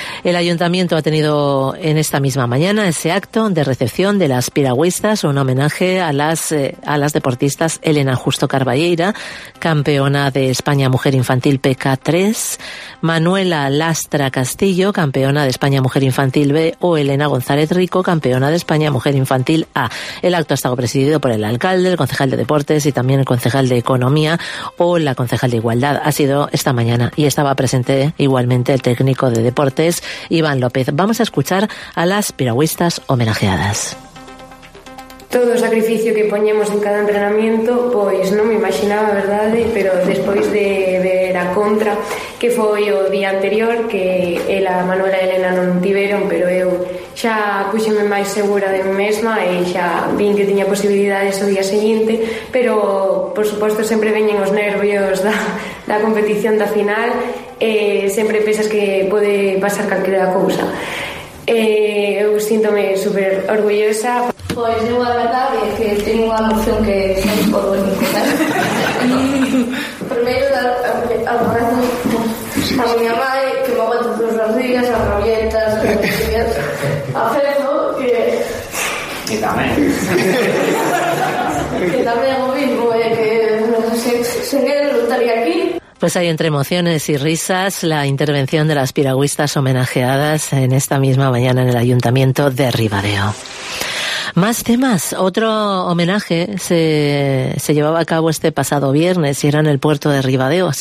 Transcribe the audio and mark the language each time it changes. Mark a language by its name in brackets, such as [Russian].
[Spanish] El ayuntamiento ha tenido en esta misma mañana ese acto de recepción de las piragüistas, un homenaje a las deportistas Elena Justo Carballeira, campeona de España Mujer Infantil PK3, Manuela Lastra Castillo, campeona de España Mujer Infantil B, o Elena González Rico, campeona de España Mujer Infantil A. El acto ha estado presidido por el alcalde, el concejal de deportes y también el concejal de economía o la concejal de igualdad. Ha sido esta mañana y estaba presente igualmente el técnico de deportes, Iván López. Vamos a escuchar a las piragüistas homenajeadas. [Galician] Todo o sacrificio que poñemos en cada entrenamiento, pois non me imaginaba, verdade, pero despois de ver a contra, que foi o día anterior, que ela, Manuela e Elena non tiveron, pero eu xa puxeme máis segura de mí mesma e xa vin que tiña posibilidades o día seguinte, pero, por suposto, sempre veñen os nervios da competición da final, e sempre pensas que pode pasar calquera cousa. Eu síntome super orgullosa. Pois, eu a verdade é que teño unha emoción que non podo explicar. Primeiro, abrazo a miña mãe, que me aguanta todos os días, a rabietas, a Fefo, que... E tamén. Que tamén o mismo, que sen ele non estaría aquí. [Spanish] Pues hay entre emociones y risas la intervención de las piragüistas homenajeadas en esta misma mañana en el Ayuntamiento de Ribadeo. Más temas. Otro homenaje se llevaba a cabo este pasado viernes y era en el puerto de Ribadeo.